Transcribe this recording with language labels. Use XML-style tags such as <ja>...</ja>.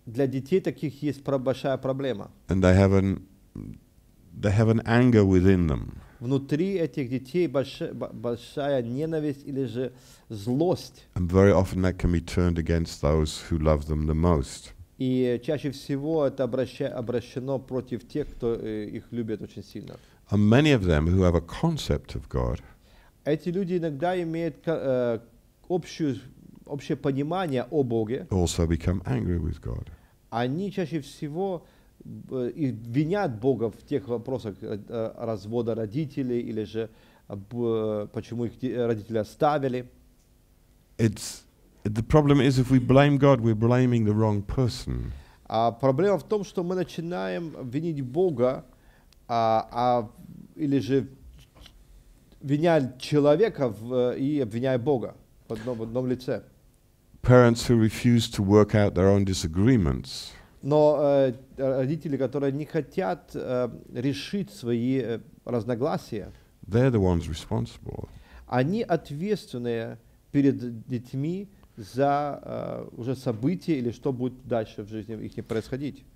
<ru>Для детей таких есть большая проблема.</ru> <en>And they have an anger within them.</en> <ru>Внутри этих детей большая ненависть или же злость.</ru> <en>And very often that can be turned against those who love them the most.</en> <ru>И чаще всего это обращено против тех, кто их любит очень сильно.</ru> <en>And many of them who have a concept of God.</en> <ru>Эти люди иногда имеют общее понимание о Боге.</ru> <en>Also become angry with God.</en> <ru>Они чаще всего и винят Бога в тех вопросах развода родителей или же почему их родители оставили.</ru> <en>The problem is if we blame God, we're blaming the wrong person.</en> <ru>А проблема в том, что мы начинаем винить Бога, или же винять человека и обвиняя Бога в одном лице.</ru> <en>Parents who refuse to work out their own disagreements.</en> <ru>Но родители, которые не хотят решить свои разногласия,</ru> <en>they're the ones responsible.</en> <ru>Они ответственные перед детьми за уже события или что будет дальше в жизни их не происходить.</ru>